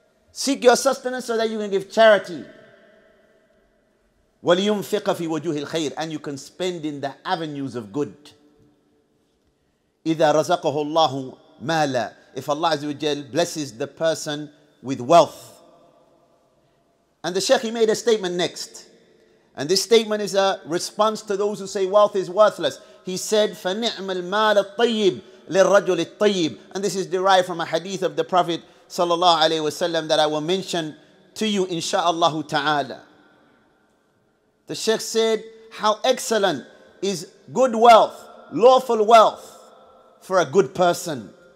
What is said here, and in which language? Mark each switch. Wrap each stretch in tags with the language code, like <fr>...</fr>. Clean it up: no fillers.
<en>Seek your sustenance so that you can give charity.</en> <ar>وَلِيُنْفِقَ فِي وَجُوهِ الْخَيْرِ,</ar> <en>and you can spend in the avenues of good.</en> <ar>إِذَا رَزَقَهُ اللَّهُ مَالًا,</ar> <en>if Allah Azza wa Jal blesses the person with wealth. And the Shaykh, he made a statement next. And this statement is a response to those who say wealth is worthless. He said,</en> <ar>فَنِعْمَ الْمَالَ الطَّيِّبِ لِلْرَجُلِ الطَّيِّبِ.</ar> <en>And this is derived from a hadith of the Prophet sallallahu alayhi wa sallam that I will mention to you, insha'Allah ta'ala. The Shaykh said, how excellent is good wealth, lawful wealth, for a good person.</en>